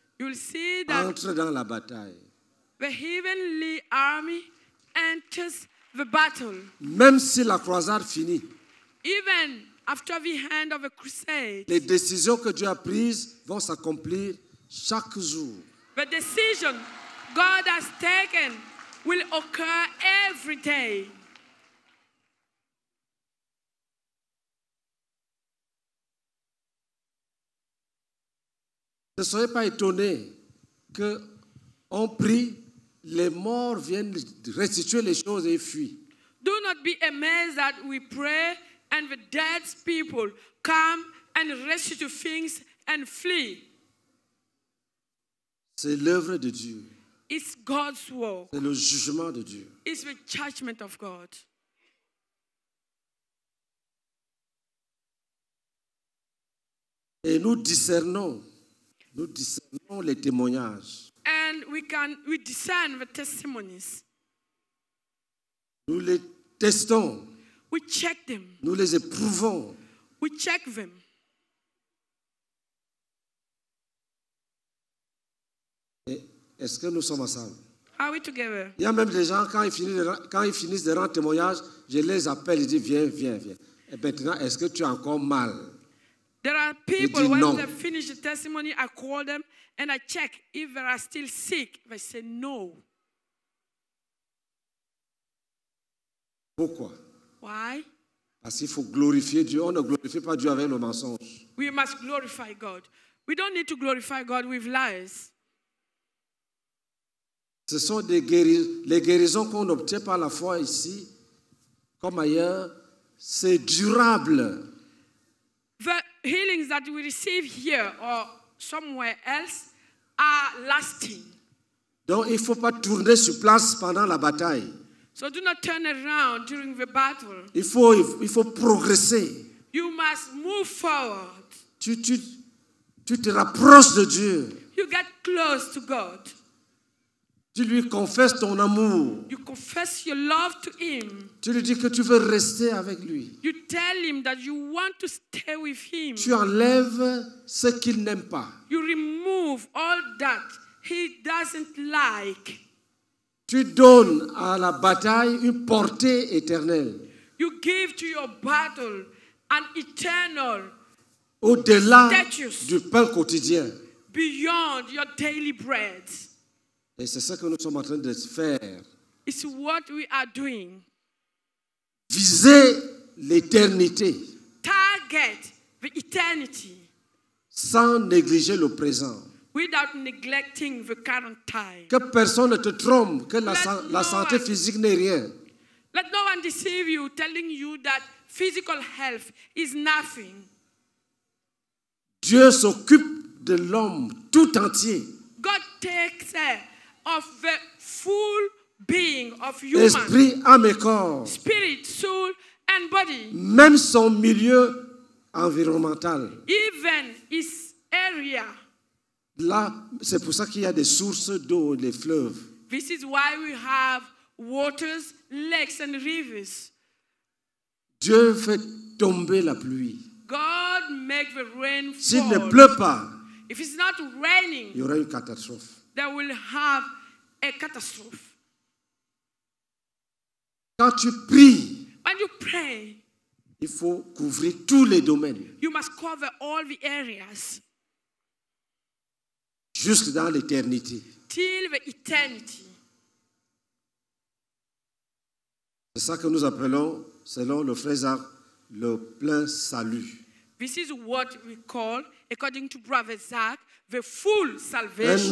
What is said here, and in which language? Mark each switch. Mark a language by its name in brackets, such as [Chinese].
[English] You'll see that [French] entre dans la bataille. [English] The heavenly army enters the battle. [French] Même si la croisade finit. [English] Even after the end of a crusade, [French] les décisions que Dieu a prises vont s'accomplir chaque jour. [English] The decision God has taken will occur every day. [French] Ne soyez pas étonnés que on prie, les morts viennent restituer les choses et fuient. [English] Do not be amazed that we pray and the dead people come and restitute things and flee. [French] C'est l'œuvre de Dieu. [English] It's God's work. [French] C'est le jugement de Dieu. [English] It's the judgment of God. [French] Et nous discernons les témoignages. [English] And we discern the testimonies. [French] Nous les testons. [English] We check them. [French] Nous les éprouvons. [English] We check them. [French] Et est-ce que nous sommes ensemble? [English] Are we together? [French] Il y a même des gens, quand ils finissent de rendre témoignage, je les appelle et dis viens. Et maintenant, est-ce que tu as encore mal? [English] There are people, when they finish the testimony, I call them and I check if they are still sick. They say no. [French] Pourquoi? [English] Why? [French] Parce qu'il faut glorifier Dieu. On ne glorifie pas Dieu avec le mensonge. [English] We must glorify God. We don't need to glorify God with lies. [French] Ce sont des guérisons qu'on obtient par la foi ici, comme ailleurs, c'est durable. [English] The healings that we receive here or somewhere else are lasting. [French] Donc il ne faut pas tourner sur place pendant la bataille. [English] So do not turn around during the battle. [French] Il faut progresser. [English] You must move forward. [French] Tu te rapproches de Dieu. [English] You get close to God. [French] Tu lui confesses ton amour. [English] You confess your love to him. [French] Tu lui dis que tu veux rester avec lui. [English] You tell him that you want to stay with him. [French] Tu enlèves ce qu'il n'aime pas. [English] You remove all that he doesn't like. [French] Tu donnes à la bataille une portée éternelle. [English] You give to your battle an eternal [French] au-delà [English] status [French] du pain quotidien. [English] Beyond your daily bread. [French] Et c'est ça que nous sommes en train de faire. [English] It's what we are doing. [French] Viser l'éternité. [English] Target the eternity. [French] Sans négliger le présent. [English] Without neglecting the current time. [French] Que personne ne te trompe, que la santé physique n'est rien. [English] Let no one deceive you, telling you that physical health is nothing. [French] Dieu s'occupe de l'homme tout entier. [English] God takes care of the full being of human. [French] Esprit, âme et corps. [English] Spirit, soul and body. [French] Même son milieu environnemental. [English] Even his area. [French] Là, c'est pour ça qu'il y a des sources d'eau, des fleuves. [English] This is why we have waters, lakes and rivers. [French] Dieu fait tomber la pluie. [English] God make the rain fall. [French] S'il ne pleut pas, [English] if it's not raining, [French] il y aura une catastrophe. [English] They will have a catastrophe. [French] Quand tu pries, [English] when you pray, [French] il faut couvrir tous les domaines. [English] You must cover all the areas. [French] Jusque dans l'éternité. [English] Till the eternity. [French] C'est ça que nous appelons, selon le frère Zach, le plein salut. [English] This is what we call, according to Brother Zach, the full salvation.